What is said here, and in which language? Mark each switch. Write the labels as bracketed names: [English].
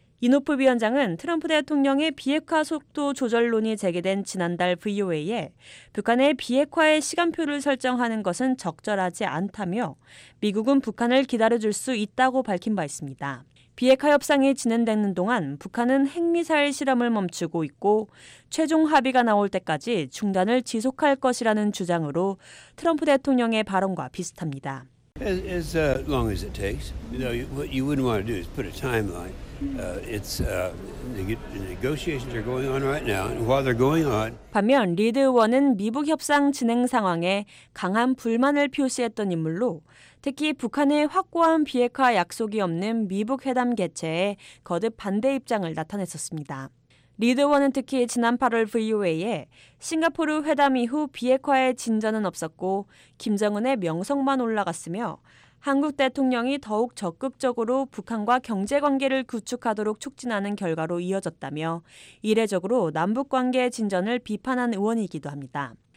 [Korean] 이노프 위원장은 트럼프 대통령의 비핵화 속도 조절론이 제기된 지난달 VOA에 북한의 비핵화의 시간표를 설정하는 것은 적절하지 않다며 미국은 북한을 기다려줄 수 있다고 밝힌 바 있습니다. 비핵화 협상이 진행되는 동안 북한은 핵미사일 실험을 멈추고 있고 최종 합의가 나올 때까지 중단을 지속할 것이라는 주장으로 트럼프 대통령의 발언과 비슷합니다. [English] As long as it takes, you know, what you wouldn't want to do is put a timeline. The negotiations are going on right now, and while they're going on. [Korean] 반면 리드 의원은 미북 협상 진행 상황에 강한 불만을 표시했던 인물로, 특히 북한의 확고한 비핵화 약속이 없는 미북 회담 개최에 거듭 반대 입장을 나타냈었습니다. 리드 의원은 특히 지난 8월 VOA에 싱가포르 회담 이후 비핵화의 진전은 없었고 김정은의 명성만 올라갔으며 한국 대통령이 더욱 적극적으로 북한과 경제관계를 구축하도록 촉진하는 결과로 이어졌다며 이례적으로 남북관계의 진전을 비판한 의원이기도 합니다.